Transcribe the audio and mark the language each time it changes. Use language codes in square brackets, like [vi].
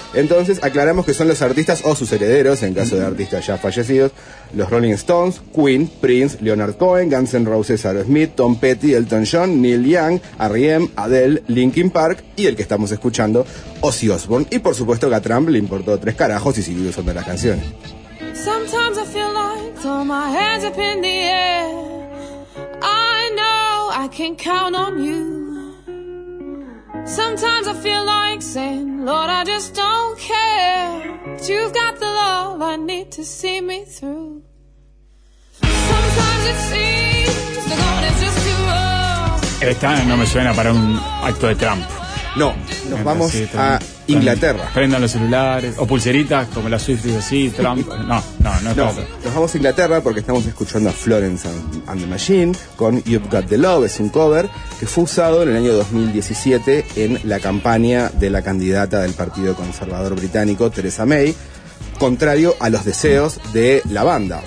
[es] Entonces aclaramos que son los artistas o sus herederos, en caso de artistas ya fallecidos, los Rolling Stones, Queen, Prince, Leonard Cohen, Guns N' Roses, Aerosmith, Tom Petty, Elton John, Neil Young, R.E.M., Adele, Linkin Park y el que estamos escuchando, Ozzy Osbourne. Y por supuesto que a Trump le importó tres carajos y siguió usando las canciones. [en] Sometimes I feel like throw my hands up in the air. I know I can count on you. Sometimes I feel like saying, Lord, I just don't care. But you've got the love I need to see me through. Sometimes it seems the Lord is just too rough. [es] Esta no me suena para un acto de Trump. No, nos vamos sí, a Inglaterra. Prendan los celulares, o pulseritas, como la Swift, digo, sí, Trump. No. Nos vamos a Inglaterra porque estamos escuchando a Florence and the Machine con You've Got the Love, es un cover que fue usado en el año 2017 en la campaña de la candidata del Partido Conservador Británico, Theresa May, contrario a los deseos de la banda.